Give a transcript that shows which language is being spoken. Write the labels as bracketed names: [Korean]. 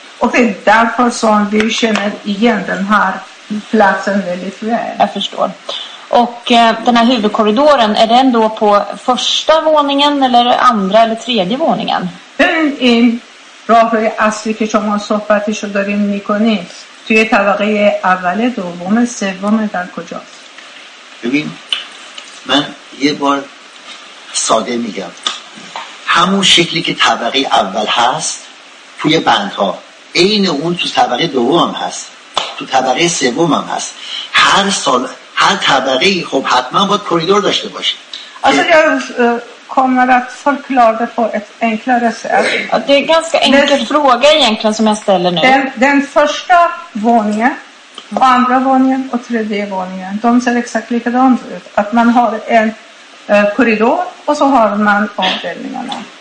[Swedish] Och det är därför som vi känner igen den här platsen väldigt väl. Jag förstår. Och den här huvudkorridoren, är den då på första våningen eller andra eller tredje våningen? Den är i Rahröja Asli som har soffat i Shodorim Nikonis. [Persian] توی طبقه اول دوم سوم در کجاست؟ ببین من یه بار ساده میگم همون شکلی که طبقه اول هست توی بندها این اون تو طبقه دوم هست تو طبقه سوم هم هست هر سال هر طبقه خب حتما باید کوریدور داشته باشه. اصلا یه [Swedish] kommer att förklara det på ett enklare sätt. Ja, det är en ganska enkel fråga egentligen som jag ställer nu. Den första våningen, andra våningen och tredje våningen, de ser exakt likadant ut. Att man har en korridor och så har man avdelningarna.